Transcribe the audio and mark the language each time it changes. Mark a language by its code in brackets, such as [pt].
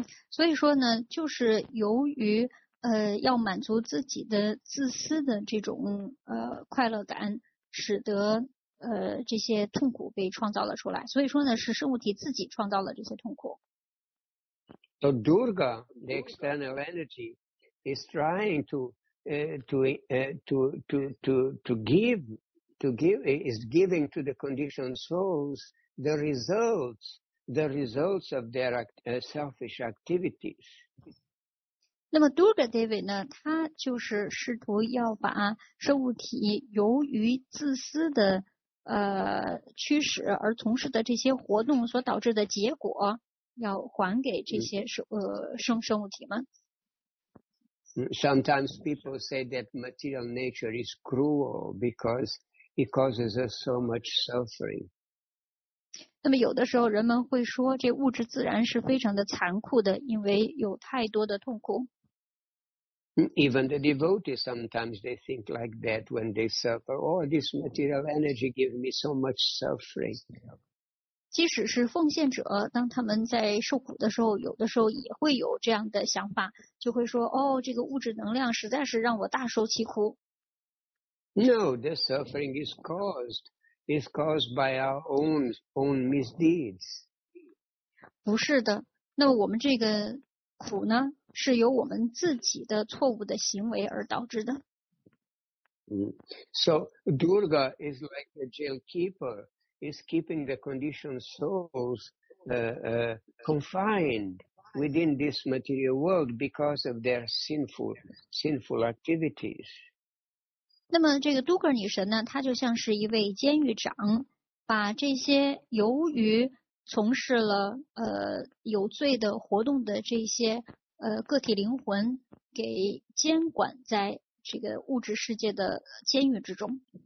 [zh] 所以说呢，就是由于要满足自己的自私的这种快乐感，使得这些痛苦被创造了出来。所以说呢，是生物体自己创造了这些痛苦。 [en] So Durga, the external energy, is trying to give to the conditioned souls the results of their selfish activities. [zh] 那么 Durga Devi 呢，他就是试图要把生物体由于自私的驱使而从事的这些活动所导致的结果，要还给这些生物体们。 [en] Sometimes people say that material nature is cruel because it causes us so much suffering. [zh] 那么有的时候人们会说，这物质自然是非常的残酷的，因为有太多的痛苦。 [en] Even the devotees sometimes they think like that when they suffer. Oh, this material energy gives me so much suffering. [zh] 即使是奉献者，当他们在受苦的时候，有的时候也会有这样的想法，就会说：“哦，这个物质能量实在是让我大受其苦。” [en] No, the suffering is caused by our own misdeeds. [zh] 不是的，那么我们这个苦呢？是由我们自己的错误的行为而导致的。 [en] So Durga is like the jail keeper, is keeping the conditioned souls confined within this material world because of their sinful activities. [zh] 那么这个 Durga 女神呢，她就像是一位监狱长，把这些由于从事了有罪的活动的这些个体灵魂给监管在这个物质世界的监狱之中。